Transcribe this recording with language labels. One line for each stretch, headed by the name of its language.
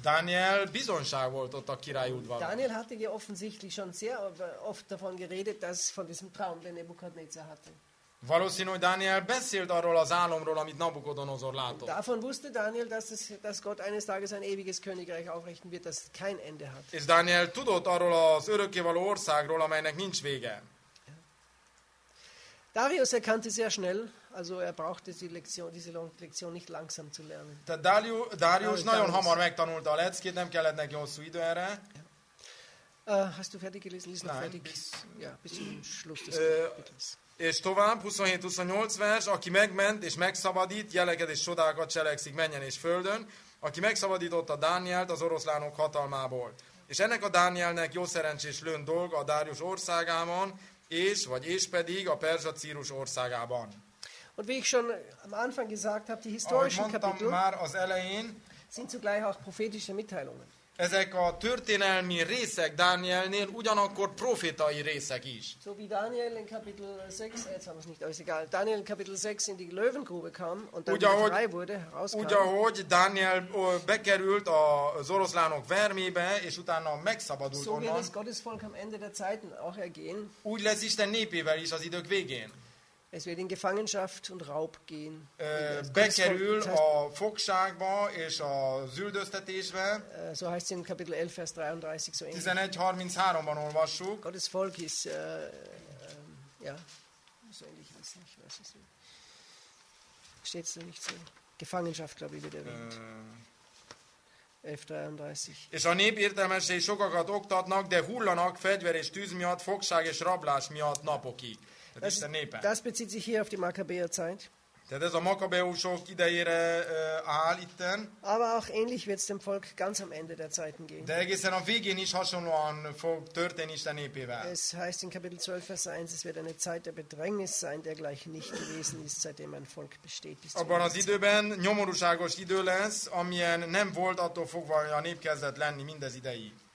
Hungarian: Daniel bizonyság volt ott a király udvaron.
German: Daniel hatte ja offensichtlich schon sehr oft davon geredet, dass von diesem Traum, den Nebukadnezar hatte.
Hungarian: Valószínű, hogy Daniel beszélt arról az álomról, amit Nabukodonozor látott.
German: Davon wusste Daniel, dass Gott eines Tages ein ewiges Königreich aufrichten wird, das kein Ende hat.
Hungarian: És Daniel tudott arról az örökkévaló országról, amelynek nincs vége.
German: Darius erkannte sehr schnell, also er brauchte diese Lektion nicht langsam zu lernen.
Hungarian: Tehát Darius nagyon hamar megtanulta a leckét, nem kellett neki hosszú idő erre.
German: Hast du fertig gelesen? Lies noch fertig. Bis zum Schluss des Kapitels.
Hungarian: És tovább, 27-28 vers, aki megment és megszabadít, jeleket és csodákat cselekszik mennyen és földön, aki megszabadította Dánielt az oroszlánok hatalmából. És ennek a Dánielnek jó szerencsés lőn dolga a Dárius országában, és pedig a Perzsa Círus országában.
German: Und wie ich schon am Anfang gesagt habe, die historischen Kapitel
Hungarian: már az elején,
German: sind zugleich auch prophetische Mitteilungen.
Hungarian: Ezek a történelmi részek Dánielnél ugyanakkor profétai részek is.
German: So wie Daniel in Kapitel 6, jetzt haben wir es nicht, ist egal. Daniel in Kapitel 6 in die Löwengrube kam und dann frei wurde, rauskam.
Hungarian: Ugyahogy Daniel bekerült az oroszlánok vermébe, és utána megszabadult onnan.
German: So wird das Gottesvolk am Ende der Zeiten auch ergehen.
Hungarian: Úgy lesz Isten népével is az idők végén.
German: Es wird in Gefangenschaft und Raub gehen.
Hungarian: Bekerül a fogságba és a züldöztetésbe.
German: So heißt es in Kapitel 11, Vers 33. So
Hungarian: 11:33-ban olvassuk.
German: Gottes Volk ist, so ähnlich ist es nicht, was ist es? Steht es da nicht so? Gefangenschaft, glaube ich, wird erwähnt. 11:33.
Hungarian: És a nép értelmesei sokakat oktatnak, de hullanak fegyver és tűz miatt, fogság és rablás miatt napokig.
German: Das bezieht sich hier auf die Makkabäerzeit.
Hungarian: Tehát ez a Makkabeusok idejére áll itten.
German: Aber auch ähnlich wird es dem Volk ganz am Ende der Zeiten gehen.
Hungarian: De egészen a végén is hasonlóan fog történni Isten népével.
German: Es heißt in Kapitel 12, Vers 1, es wird eine Zeit der Bedrängnis sein, der gleich nicht gewesen ist, seitdem ein Volk besteht.
Hungarian: Abban az időben nyomorúságos idő lesz, amilyen nem volt, attól fogva a nép kezdett lenni mindez idei.